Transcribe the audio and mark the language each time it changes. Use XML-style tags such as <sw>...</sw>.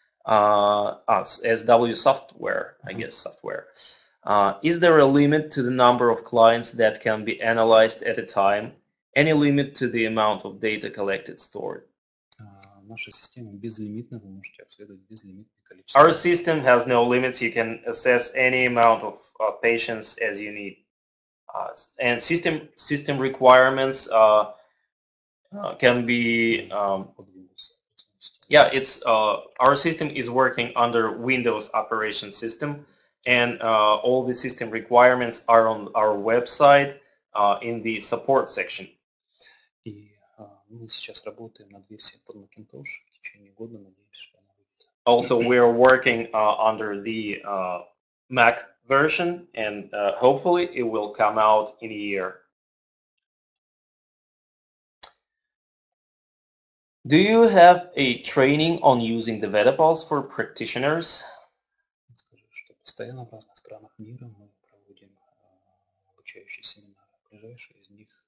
<en>SW software, I guess software. Is there a limit to the number of clients that can be analyzed at a time? Any limit to the amount of data collected, stored?</en> <ru>Наша система безлимитна, вы можете обследовать безлимитное количество.</ru> <en>Our system has no limits. You can assess any amount of patients as you need. And system requirements can be our system is working under Windows operation system, and all the system requirements are on our website in the support section.</en> <ru>Мы сейчас работаем над версией под Macintosh в течение года, надеюсь, что она будет.</ru> <en>Also, we are working under the Mac version, and hopefully it will come out in a year. Do you have a training on using the VetaPulse for practitioners?</en> <ru>Скажу, что постоянно в разных странах мира мы проводим обучающие семинары. Ближайшие из них.</ru>